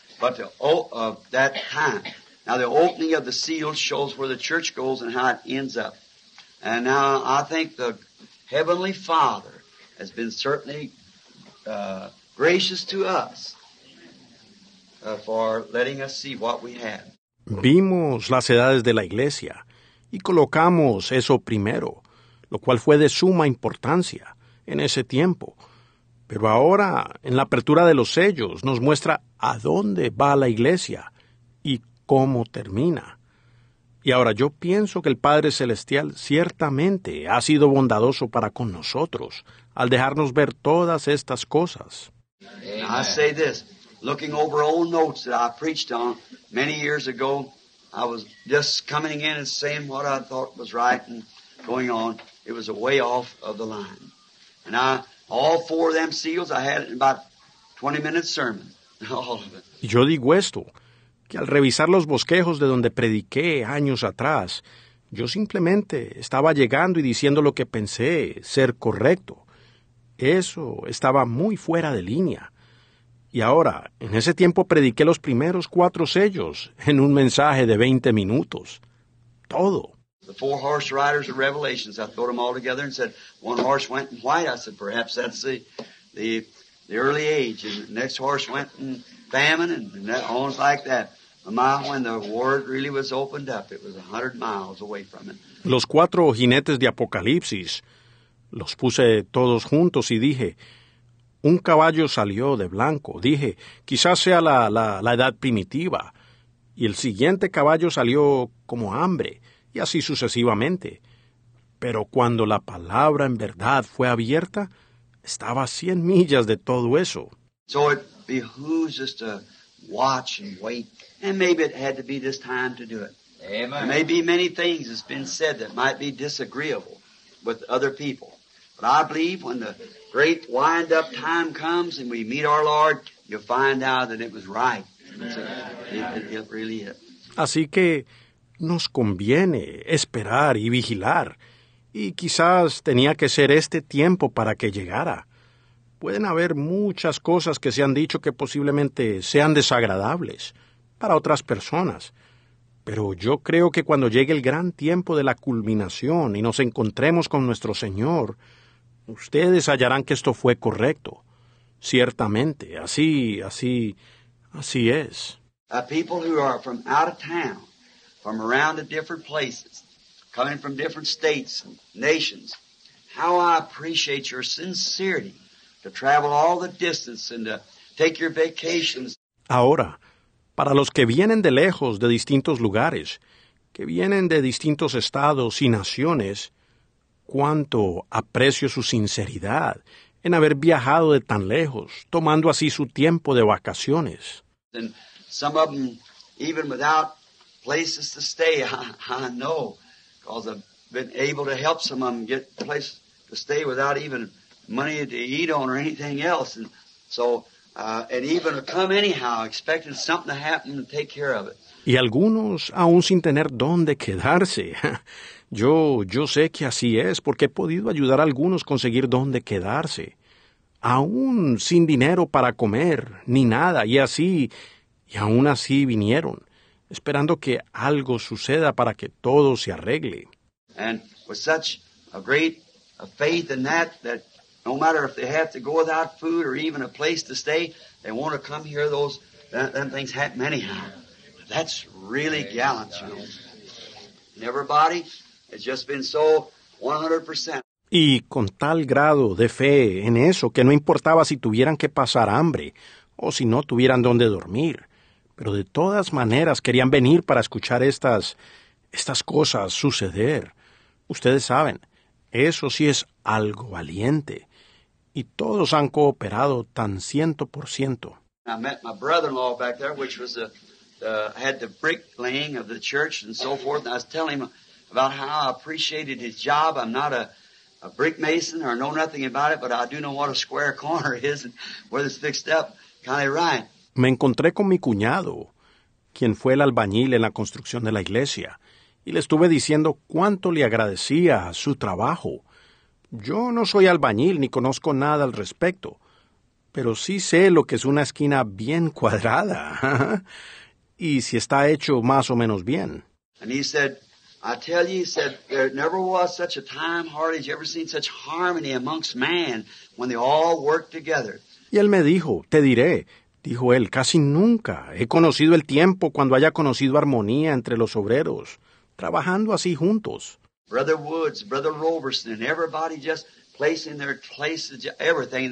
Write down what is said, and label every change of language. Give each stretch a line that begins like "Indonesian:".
English: But the that time. Now the opening of the seal shows where the church goes and how it ends up. And now I think the Heavenly Father has been certainly gracious to us. For letting us see what we have.
Spanish: Vimos las edades de la iglesia y colocamos eso primero, lo cual fue de suma importancia en ese tiempo. Pero ahora, en la apertura de los sellos, nos muestra a dónde va la iglesia y cómo termina. Y ahora yo pienso que el Padre Celestial ciertamente ha sido bondadoso para con nosotros al dejarnos ver todas estas cosas.
English: I say this. looking over old notes that I preached on many years ago. I was just coming in and saying what I thought was right and going on. It was a way off of the line. And I, all four of them seals, I had it in about 20-minute sermon, all of it.
Spanish: Y yo digo esto, que al revisar los bosquejos de donde prediqué años atrás, yo simplemente estaba llegando y diciendo lo que pensé ser correcto. Eso estaba muy fuera de línea. Y ahora, en ese tiempo prediqué los primeros cuatro sellos en un mensaje de 20 minutos. Todo.
English: The four horse riders of Revelations, I thought them all together and said, one horse went in white. I said, perhaps that's the early age. And the next horse went in famine and that, almost like that. A mile when the word really was opened up, it was 100 miles away from it.
Spanish: Los cuatro jinetes de Apocalipsis, los puse todos juntos y dije, un caballo salió de blanco. Dije, quizás sea la edad primitiva. Y el siguiente caballo salió como hambre, y así sucesivamente. Pero cuando la palabra en verdad fue abierta, estaba a 100 millas de todo eso.
English: So it behooves us to watch and wait. And maybe it had to be this time to do it. Amen. There may be many things that's been said that might be disagreeable with other people. But I believe when the great wind-up time comes and we meet our Lord, you'll find out that it was right. It really is.
Spanish: Así que nos conviene esperar y vigilar. Y quizás tenía que ser este tiempo para que llegara. Pueden haber muchas cosas que se han dicho que posiblemente sean desagradables para otras personas. Pero yo creo que cuando llegue el gran tiempo de la culminación y nos encontremos con nuestro Señor, ustedes hallarán que esto fue correcto. Ciertamente, así es.
English: A people who are from out of town, from around the different places, coming from different states and nations, how I appreciate your sincerity to travel all the distance and to take your vacations.
Spanish: Ahora, para los que vienen de lejos, de distintos lugares, que vienen de distintos estados y naciones, cuánto aprecio su sinceridad en haber viajado de tan lejos, tomando así su tiempo de vacaciones.
English: And some of them, even without places to stay, I know, because I've been able to help some of them get a place to stay without even money to eat on or anything else. And so, and even come anyhow, expecting something to happen to take care of it.
Spanish: Y algunos, aún sin tener dónde quedarse. Yo sé que así es, porque he podido ayudar a algunos a conseguir dónde quedarse. Aún sin dinero para comer, ni nada, y aún así vinieron, esperando que algo suceda para que todo se arregle.
English: And with such a great faith in that, that no matter if they have to go without food or even a place to stay, they want to come here, them things happen anyhow. That's really gallant, you know. And everybody has just been so 100%.
Spanish: Y con tal grado de fe en eso, que no importaba si tuvieran que pasar hambre o si no tuvieran donde dormir, pero de todas maneras querían venir para escuchar estas cosas suceder. Ustedes saben, eso sí es algo valiente. Y todos han cooperado tan 100%.
English: I met my brother-in-law back there, which was had the bricklaying of the church and so forth. And I was telling him about how I appreciated his job. I'm not a brick mason or know nothing about it, but I do know what a square corner is and whether it's fixed up kind of right.
Spanish: Me encontré con mi cuñado, quien fue el albañil en la construcción de la iglesia, y le estuve diciendo cuánto le agradecía su trabajo. Yo no soy albañil ni conozco nada al respecto, pero sí sé lo que es una esquina bien cuadrada y si está hecho más o menos bien.
English: And he said, I tell you, he said, there never was such a time, hardly have you ever seen such harmony amongst man when they all work together.
Spanish: Y él me dijo, te diré, dijo él, casi nunca he conocido el tiempo cuando haya conocido armonía entre los obreros, trabajando así juntos.
English: Brother Woods, Brother Roberson, and everybody just placing their places, everything.